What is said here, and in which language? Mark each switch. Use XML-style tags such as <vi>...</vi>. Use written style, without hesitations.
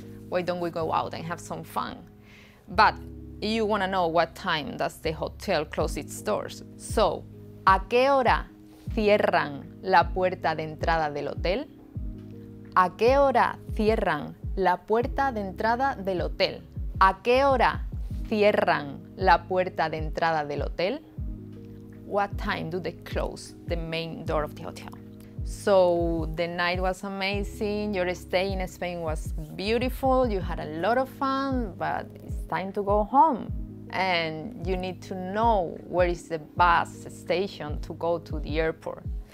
<en>Why don't we go out and have some fun? But you wanna know what time does the hotel close its doors.</en> <es>So, ¿a qué hora cierran la puerta de entrada del hotel? ¿A qué hora cierran la puerta de entrada del hotel? ¿A qué hora cierran la puerta de entrada del hotel?</es> <en>What time do they close the main door of the hotel? So the night was amazing, your stay in Spain was beautiful, you had a lot of fun, but it's time to go home. And you need to know where is the bus station to go to the airport.</en>